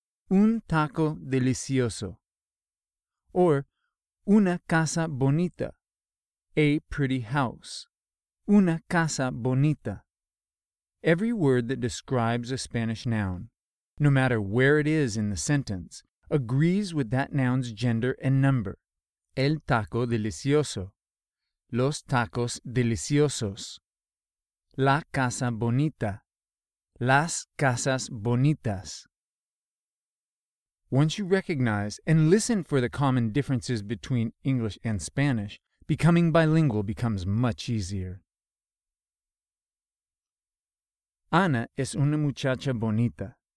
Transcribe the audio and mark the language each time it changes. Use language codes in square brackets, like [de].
[es] Un taco delicioso. Or, una casa bonita, [en] a pretty house, [es] una casa bonita. [en] Every word that describes a Spanish noun, no matter where it is in the sentence, agrees with that noun's gender and number. [es] El taco delicioso, los tacos deliciosos, la casa bonita, las casas bonitas. [en] Once you recognize and listen for the common differences between English and Spanish, becoming bilingual becomes much easier. [es] Ana es una muchacha bonita.